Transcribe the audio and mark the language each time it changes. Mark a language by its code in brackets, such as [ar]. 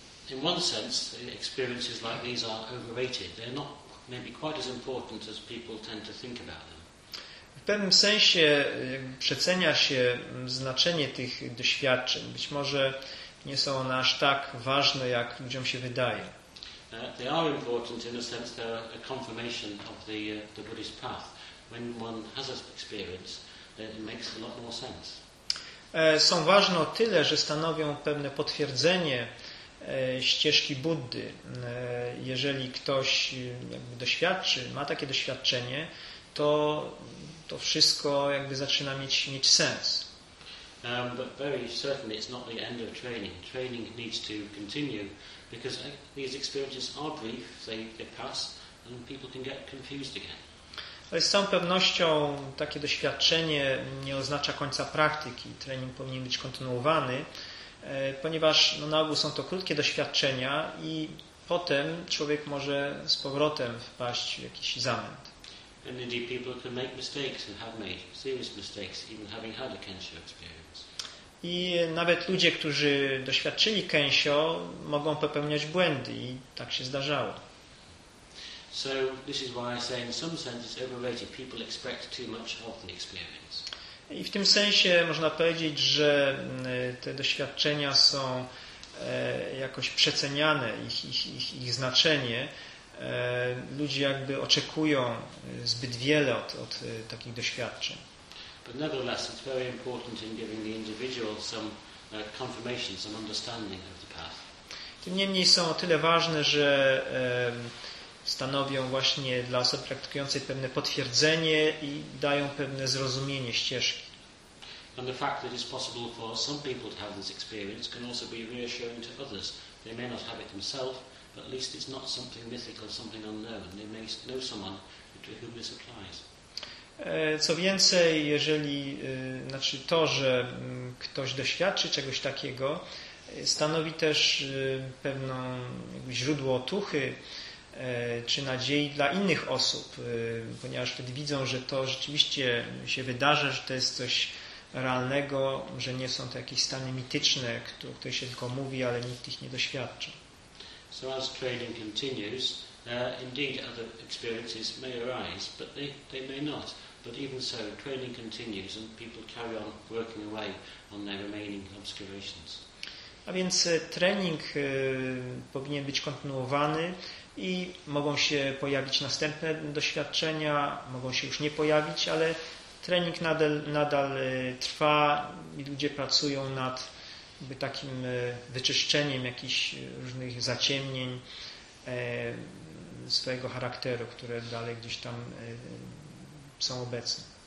[en] In one sense, experiences like these are overrated. They're not maybe quite as important as people tend to think about them. [pl] W pewnym sensie przecenia się znaczenie tych doświadczeń. Być może nie są one aż tak ważne, jak ludziom się wydaje. [en] They are important in a sense they're a confirmation of the Buddhist path. When one has an experience, then it makes a lot more sense. [pl] Są ważne o tyle, że stanowią pewne potwierdzenie ścieżki Buddy. Jeżeli ktoś jakby doświadczy, ma takie doświadczenie, to wszystko jakby zaczyna mieć sens. [en] But very certainly it's not the end of training. Training needs to continue because these experiences are brief, they pass and people can get confused again. [pl] Ale z całą pewnością takie doświadczenie nie oznacza końca praktyki. Trening powinien być kontynuowany, ponieważ no, na ogół są to krótkie doświadczenia i potem człowiek może z powrotem wpaść w jakiś zamęt. [en] And indeed people can make mistakes and have made serious mistakes even having had a Kensho experience. [pl] I nawet ludzie, którzy doświadczyli Kensho, mogą popełniać błędy i tak się zdarzało. [en] So this is why I say in some sense it's overrated. People expect too much of the experience. [pl] I w tym sensie można powiedzieć, że te doświadczenia są jakoś przeceniane, ich znaczenie. Ludzie jakby oczekują zbyt wiele od takich doświadczeń. [en] But nevertheless, it's very important in giving the individual some confirmation, some understanding of the path. [pl] Tym niemniej są o tyle ważne, że stanowią właśnie dla osoby praktykującej pewne potwierdzenie i dają pewne zrozumienie ścieżki. [en] And the fact that it's possible for some people to have this experience can also be reassuring to others. They may not have it themselves, but at least it's not something mythical, something unknown. They may know someone to whom this applies. [pl] Co więcej, jeżeli, znaczy to, że ktoś doświadczy czegoś takiego, stanowi też pewną źródło otuchy czy nadziei dla innych osób, ponieważ wtedy widzą, że to rzeczywiście się wydarza, że to jest coś realnego, że nie są to jakieś stany mityczne, które się tylko mówi, ale nikt ich nie doświadcza. [en] So as training continues, indeed other experiences may arise, but they may not. But even so, training continues and people carry on working away on their remaining obscurations. [pl] A więc trening powinien być kontynuowany i mogą się pojawić następne doświadczenia, mogą się już nie pojawić, ale trening nadal trwa i ludzie pracują nad takim wyczyszczeniem jakichś różnych zaciemnień swojego charakteru, które dalej gdzieś tam są obecne.